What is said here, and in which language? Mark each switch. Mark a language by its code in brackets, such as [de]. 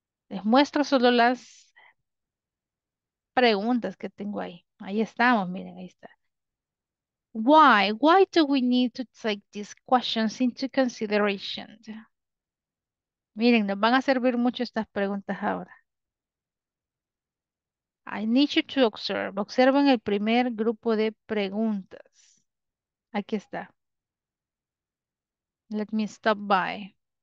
[es] Les muestro solo las preguntas que tengo ahí. Ahí estamos, miren, ahí está. [en] Why do we need to take these questions into consideration? [es] Miren, nos van a servir mucho estas preguntas ahora. [en] I need you to observe. [es] Observen el primer grupo de preguntas. Aquí está. [en] Let me stop by.